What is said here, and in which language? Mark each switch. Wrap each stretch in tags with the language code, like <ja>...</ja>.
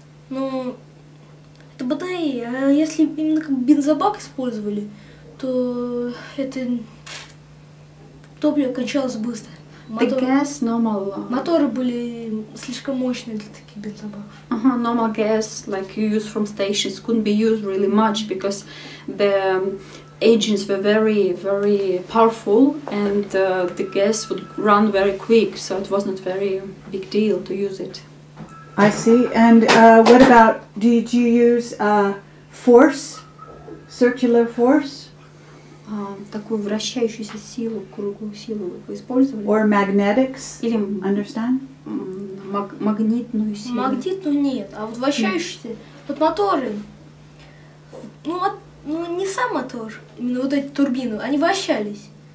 <ru>Ну, это батарея. А если именно как бензобак использовали, то это топливо кончалось быстро. Моторы были слишком мощные для таких бензобаков.</ru> <en>Uh-huh. Normal gas, like you use from stations, couldn't be used really much because the engines were very, very powerful and the gas would run very quick, so it wasn't very big deal to use it. I see. And what about, did you use force, circular force?</en> <ru>Такую вращающуюся силу, круглую силу вы использовали?</ru> <en>Or magnetics?</en> <ru>Или,</ru> <en>understand?</en> <ru>Магнитную силу. Магнитную нет, а вот вращающиеся, вот моторы, ну не сам мотор, именно вот эти турбины, они вращались.</ru>